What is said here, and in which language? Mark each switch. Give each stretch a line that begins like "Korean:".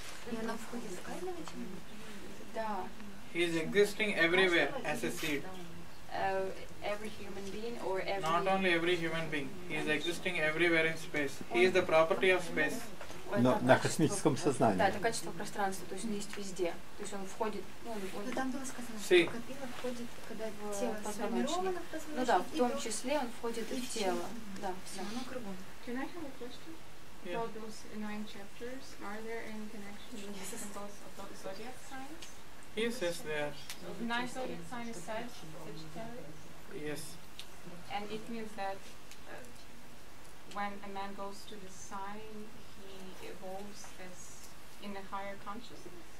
Russian: Оно входит в каждого человека. Да.
English: He is existing everywhere as a seed. Every human being or every. Not only every human being. He is existing everywhere in space. He is the property of space.
Russian: Но на космическом сознании. Да, это качество пространства, то есть он есть везде. То есть он входит, ну, он входит. Но там было сказано, что Капила входит, когда в тело сформировано, в позвоночник. Ну да, в том числе он входит и в тело. Да, все. Оно кругом.
English: Can I have a question? Yeah. About those 9 chapters, are there any connections with the symbols of the zodiac signs? He says there. 9 zodiac signs is said, Sagittarius? Yes. And it means that when a man goes to the sign, he evolves as in a higher consciousness?